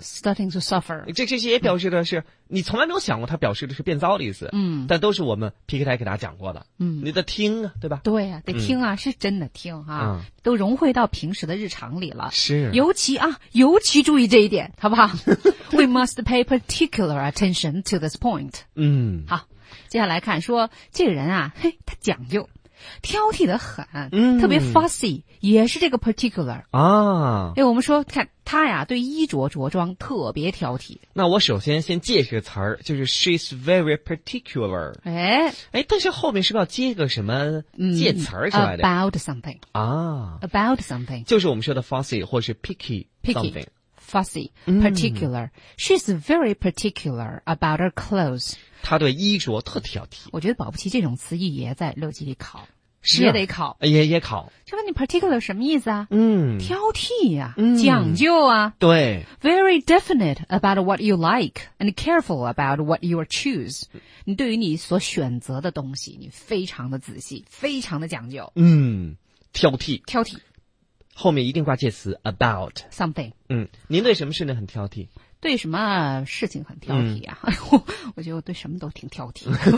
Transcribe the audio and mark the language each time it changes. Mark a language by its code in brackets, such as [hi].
[en] Starting to suffer. [zh] 这些也表示的是、你从来没有想过它表示的是变糟的意思。嗯，但都是我们 PK 台给大家讲过的。嗯，你得听，对吧？对啊，得听啊，是真的听啊、都融汇到平时的日常里了。是，尤其注意这一点，好不好？ [en] We must pay particular attention to this point. 嗯， [zh] 好，接下来看说这个人啊，嘿，他讲究。挑剔得很、特别 fussy, 也是这个 particular 啊。因为我们说看他呀对衣着着装特别挑剔。那我首先借这个词儿，就是 [en] she's very particular。哎， [zh] 但是后面是不是要接个什么借词儿出来的、 [en] about something 啊。 about something [zh] 就是我们说的 fussy 或是 picky something。 [en] Fussy, particular.、She's very particular about her clothes. [zh] 她对衣着特挑剔。我觉得保不齐这种词义也在六级里考，是、也得考，也考。就问你 particular 什么意思啊？嗯，挑剔呀、讲究啊。对。 [en] Very definite about what you like and careful about what you choose. [zh] 你对于你所选择的东西，你非常的仔细，非常的讲究。嗯，挑剔，挑剔。后面一定挂介词 about [en] something。 [zh] 您对什么事呢很挑剔？对什么事情很挑剔啊，嗯、我觉得我对什么都挺挑剔，